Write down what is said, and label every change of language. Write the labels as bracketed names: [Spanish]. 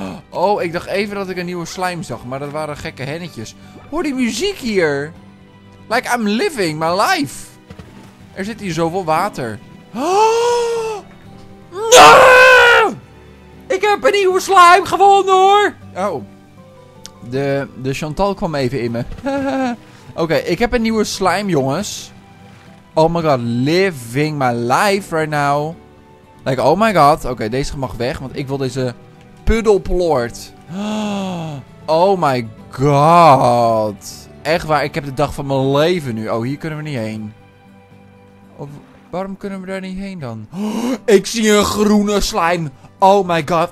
[Dutch] Oh, ik dacht even dat ik een nieuwe slime zag. Maar dat waren gekke hennetjes. Hoor die muziek hier. [English] Like, I'm living my life. [Dutch] Er zit hier zoveel water. Oh! No! Ik heb een nieuwe slime gevonden, hoor. Oh. De Chantal kwam even in me. Oké, ik heb een nieuwe slime, jongens. [English] Oh my god, living my life right now. Like, oh my god. [Dutch] Oké, deze mag weg, want ik wil deze puddelploort. [English] Oh my god. [Dutch] Echt waar, ik heb de dag van mijn leven nu. Oh, hier kunnen we niet heen. Of, waarom kunnen we daar niet heen dan? Oh, ik zie een groene slime. [English] Oh my god.